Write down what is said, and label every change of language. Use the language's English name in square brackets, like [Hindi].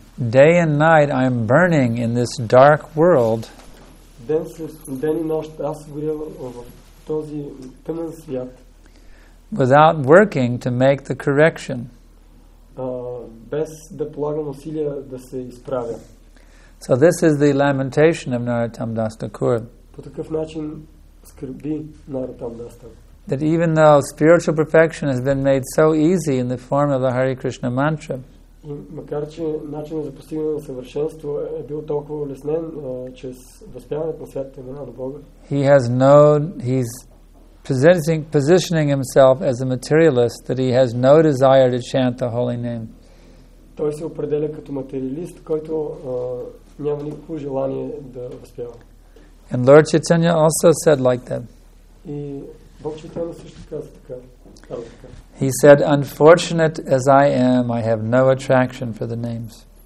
[English] day and night, I am burning in this dark world. [Bulgarian] Ден и нощ аз горя в този тъмен свят. [English] without working to make the correction. [Bulgarian] Без да полагам усилия да се изправя. [English] So this is the lamentation of Narottam Das Thakur. [Bulgarian] По такъв начин скърби Narottam Das Thakur. [English] That even though spiritual perfection has been made so easy in the form of the Hare Krishna mantra, [Bulgarian] и макар че начинът за постигане на съвършенство е бил толкова улеснен чрез възпяването на святите имена на Бога, [English] he's positioning himself as a materialist, that he has no desire to chant the holy name. [Bulgarian] Той се определя като материалист, който няма никакво желание да възпява. [English] And Lord Chaitanya also said like that. [Bulgarian] И Бог Чайтанья също каза така. [English] He said, unfortunate as I am, I have no attraction for the names.